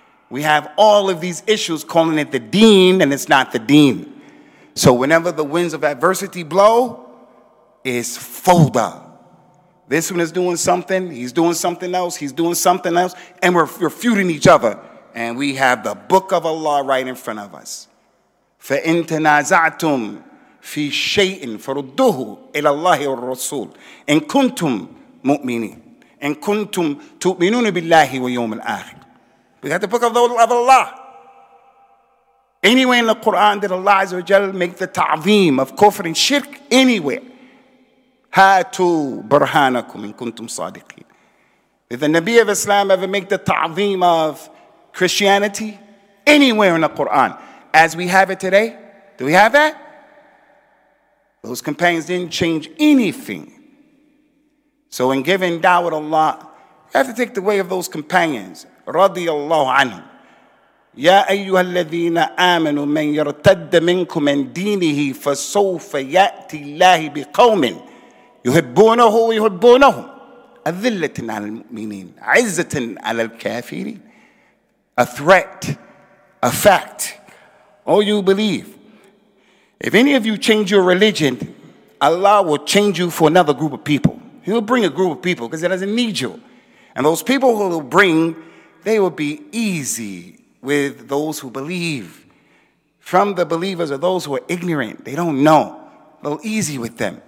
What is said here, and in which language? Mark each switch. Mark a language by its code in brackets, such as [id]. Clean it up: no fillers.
[en] We have all of these issues calling it the deen, and it's not the deen. So whenever the winds of adversity blow, it's fawda. This one is doing something, he's doing something else, he's doing something else, and we're refuting each other. And we have the book of Allah right in front of us. [ar] فَإِن تَنَازَعْتُمْ فِي شَيْءٍ فَرُدُّهُ إِلَى اللَّهِ وَالرَّسُولِ إِن كُنْتُمْ مُؤْمِنِينَ إِن كُنْتُمْ تُؤْمِنُونَ بِاللَّهِ وَيَوْمِ الْآخِرِ. [en] We got the book of the love of Allah. Anywhere in the Quran did Allah Azza wa Jal make the ta'zeem of kufr and shirk? Anywhere. [ar] هَاتُوا بُرْهَانَكُمْ إِن كُنْتُمْ صَادِقِينَ. [en] Did the Nabi of Islam ever make the ta'zeem of Christianity? Anywhere in the Quran. As we have it today, do we have that? Those companions didn't change anything. So in giving da'wah to Allah, you have to take the way of those companions, radiallahu anhum. [ar] يا أيها الذين آمنوا من يرتد منكم من دينه فسوف يأتي الله بقوم يحبونه ويحبونهم أذلة على المؤمنين عزة على الكافرين [en] a threat, a fact. All you believe. If any of you change your religion, Allah will change you for another group of people. He'll bring a group of people because he doesn't need you. And those people who he'll bring, they will be easy with those who believe. From the believers are those who are ignorant. They don't know. They'll be easy with them.